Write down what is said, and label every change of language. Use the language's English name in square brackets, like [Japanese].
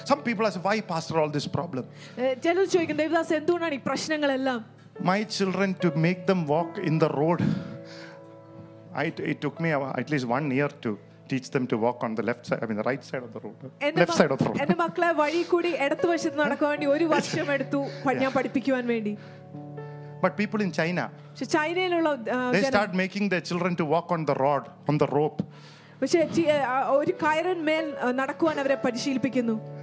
[English] Some people ask, why pastor all this problem? My children, to make them walk in the road, it took me at least 1 year to teach them to walk on the left side, the right side of the road. [Malayalam] എന്റെ മക്കളെ വഴി കൂടി ഇടത്തു വശത്ത് നടക്കാൻ വേണ്ടി ഒരു വർഷം എടുത്തു ഞാൻ പഠിപ്പിക്കുവാൻ വേണ്ടി. [English] But people in China, [Malayalam] ചൈനയിലുള്ള [English] they start making their children to walk on the rod, on the rope. [Malayalam] പക്ഷേ ഒരു കയറൻ മേൽ നടക്കുവാൻ അവരെ പരിശീലിപ്പിക്കുന്നു.